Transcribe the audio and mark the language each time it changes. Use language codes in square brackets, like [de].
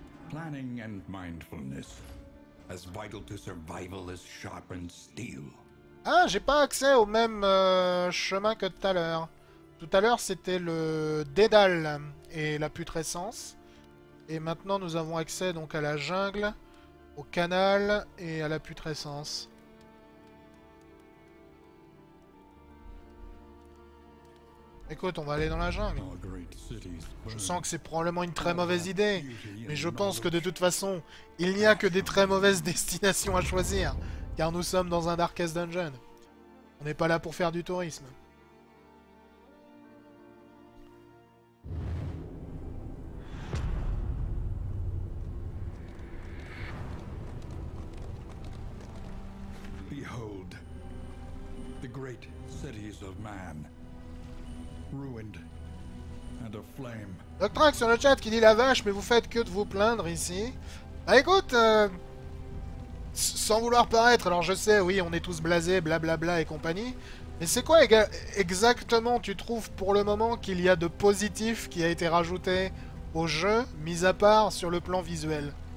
[en] Planning and mindfulness. As vital to survival as sharpened steel. [fr] Ah, j'ai pas accès au même chemin que tout à l'heure. Tout à l'heure, c'était le dédale et la putrescence. Et maintenant, nous avons accès donc à la jungle, au canal et à la putrescence. Écoute, on va aller dans la jungle. Je sens que c'est probablement une très mauvaise idée, mais je pense que de toute façon, il n'y a que des très mauvaises destinations à choisir, car nous sommes dans un Darkest Dungeon. On n'est pas là pour faire du tourisme. [en] Behold, the great cities of man, ruined and aflame. [fr] Doctrax sur le chat qui dit la vache, mais vous faites que de vous plaindre ici. Bah écoute, sans vouloir paraître, alors je sais, oui, on est tous blasés, blablabla et compagnie, mais c'est quoi exactement tu trouves pour le moment qu'il y a de positif qui a été rajouté au jeu, mis à part sur le plan visuel?